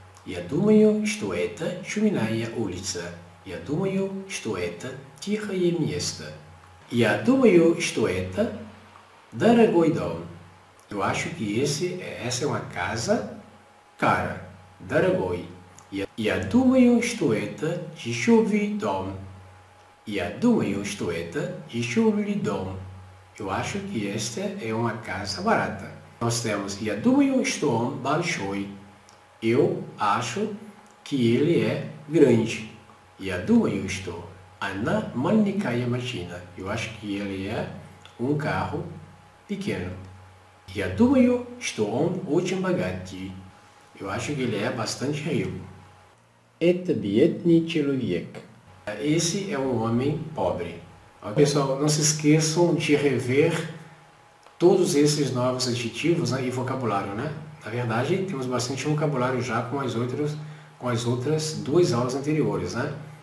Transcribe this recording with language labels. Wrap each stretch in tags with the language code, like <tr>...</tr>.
<ru>Я думаю, что это шуминая улица. Я думаю, что это тихое место. Я думаю, что это дорогой дом.</ru> <pt>Eu acho que essa é uma casa cara, дорогой.</pt> <ru>Я думаю, что это дешевый дом. Я думаю, что это дешевый дом.</ru> <pt>Eu acho que esta é uma casa barata. Нós temos</pt> <ru>Я думаю, что он большой.</ru> <pt>Eu acho que ele é grande.</pt> <ru>Я думаю, что она маленькая машина.</ru> <pt>Eu acho que ele é um carro pequeno.</pt> <ru>Я думаю, что он очень богатый.</ru> <pt>Eu acho que ele é bastante rico.</pt> <ru>Это бедный человек.</ru> <pt>Esse é um homem pobre. Pessoal, não se esqueçam de rever todos esses novos adjetivos, né, e vocabulário, né? Na verdade, temos bastante vocabulário já com as outras duas aulas anteriores, né?</pt>